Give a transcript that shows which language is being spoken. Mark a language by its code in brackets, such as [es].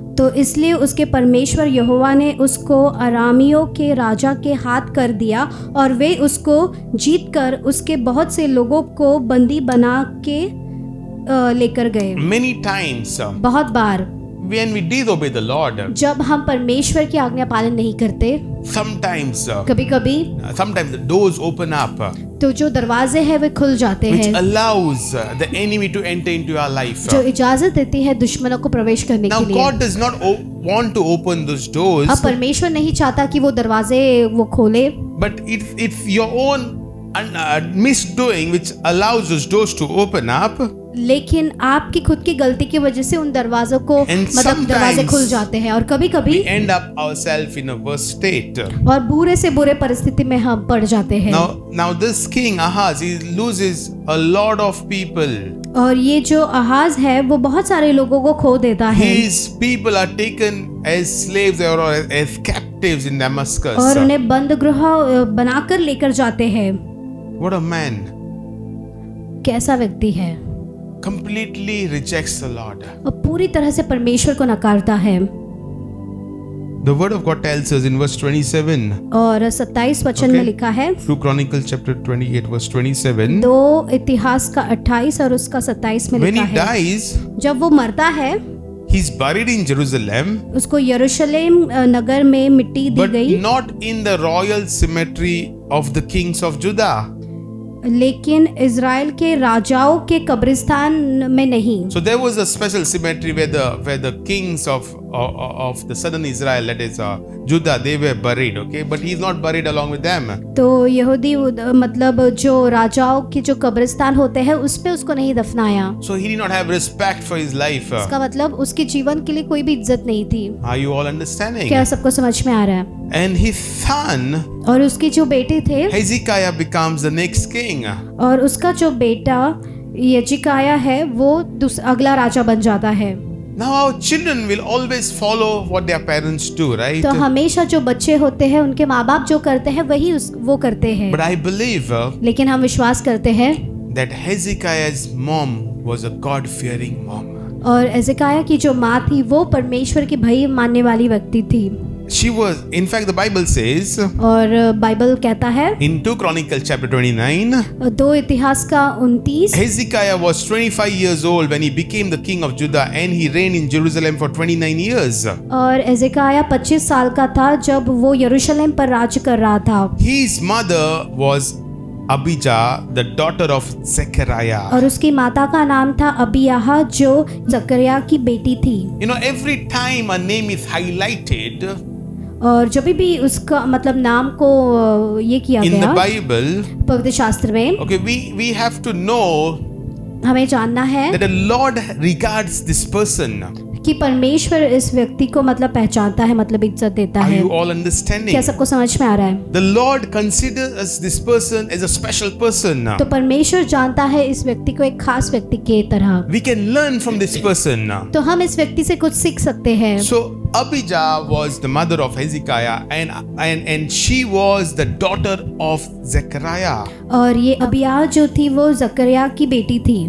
[hi] तो इसलिए उसके परमेश्वर यहोवा ने उसको अरामियों के राजा के हाथ कर दिया और वे उसको जीत कर उसके बहुत से लोगों को बंदी बना के लेकर गए. [en] Many times. [hi] बहुत बार. [en] When we disobey the Lord. [hi] जब हम परमेश्वर की आज्ञा पालन नहीं करते. [en] Sometimes. [hi] कभी-कभी. [en] Sometimes the doors open up. [hi] तो जो दरवाजे हैं वे खुल जाते हैं. [en] Which allows the enemy to enter into our life. [hi] जो इजाजत देती है दुश्मनों को प्रवेश करने के लिए. [en] Now God does not want to open those doors. [hi] अब परमेश्वर नहीं चाहता कि वो दरवाजे वो खोले. [en] But if your own misdoing which allows those doors to open up. [hi] लेकिन आपकी खुद की गलती की वजह से उन दरवाजों को मतलब दरवाजे खुल जाते हैं और कभी कभी [en] we end up ourselves in a worse state. [hi] और बुरे से बुरे परिस्थिति में हम पड़ जाते हैं. [en] Now this king Ahaz, he loses a lot of people. [hi] और ये जो अहाज है वो बहुत सारे लोगों को खो देता है. [en] His people are taken as slaves or as captives in Damascus. [hi] और उन्हें बंद गृह बनाकर लेकर जाते हैं. [en] What a man. [hi] कैसा व्यक्ति है. [en] Completely rejects the Lord. [hi] और पूरी तरह से परमेश्वर को नकारता है. [en] The word of God tells us in verse 27. [hi] और 27 वचन में लिखा है. [en] 2 Chronicles chapter 28 verse 27. [hi] दो इतिहास का 28 और उसका 27 में लिखा है. [en] When he dies, [hi] जब वो मरता है. [en] He's buried in Jerusalem. [hi] उसको यरूशलेम नगर में मिट्टी दी गई. [en] But not in the royal cemetery of the kings of Judah. [hi] लेकिन इज़राइल के राजाओं के कब्रिस्तान में नहीं. [en] So there was a special cemetery where the kings of the southern Israel, that is Judah, they were buried, okay? But he's not buried along with them. [hi] तो यहूदी मतलब जो राजाओं के जो कब्रिस्तान होते हैं उस पे उसको नहीं दफनाया. [en] So he did not have respect for his life. [hi] इसका मतलब उसके जीवन के लिए कोई भी इज्जत नहीं थी. [en] Are you all understanding? [hi] क्या सबको समझ में आ रहा है? [en] And his son, [hi] और उसके जो बेटे थे, [en] Hezekiah becomes the next king. [hi] और उसका जो बेटा यजकिया है, वो अगला राजा बन जाता है. [en] Now our children will always follow what their parents do, right? [hi] तो हमेशा जो बच्चे होते हैं, उनके माँबाप जो करते हैं, वही वो करते हैं. [en] But I believe. [hi] लेकिन हम विश्वास करते हैं. [en] That Hezekiah's mom was a God-fearing mom. [hi] और यजकिया की जो माँ थी, वो परमेश्वर की भय मानने वाली व्यक्ति थी. [en] She was, in fact, the Bible says. [hi] और Bible कहता है. [en] In 2 Chronicles chapter 29. [hi] दो इतिहास का 29. [en] Hezekiah was 25 years old when he became the king of Judah, and he reigned in Jerusalem for 29 years. [hi] और Hezekiah 25 साल का था जब वो यरूशलेम पर राज कर रहा था. [en] His mother was Abijah, the daughter of Zechariah. [hi] और उसकी माता का नाम था अबियाह, जो जकरिया की बेटी थी. [en] You know, every time a name is highlighted. [hi] और जब भी उसका मतलब नाम को ये किया [en] in [hi] गया. [en] In the Bible. [hi] पवित्र शास्त्र में. [en] Okay, we have to know. [hi] हमें जानना है. [en] That the Lord regards this person. [hi] कि परमेश्वर इस व्यक्ति को मतलब पहचानता है, मतलब इज्जत देता है. [en] Are you all understanding? [hi] क्या सबको समझ में आ रहा है? [en] The Lord considers this person as a special person. [hi] तो परमेश्वर जानता है इस व्यक्ति को एक खास व्यक्ति के तरह. [en] We can learn from this person. [hi] तो हम इस व्यक्ति से कुछ सीख सकते हैं. [en] So Abijah was the mother of Hezekiah and she was the daughter of Zechariah. [hi] और ये अबिया जो थी वो जकरिया की बेटी थी.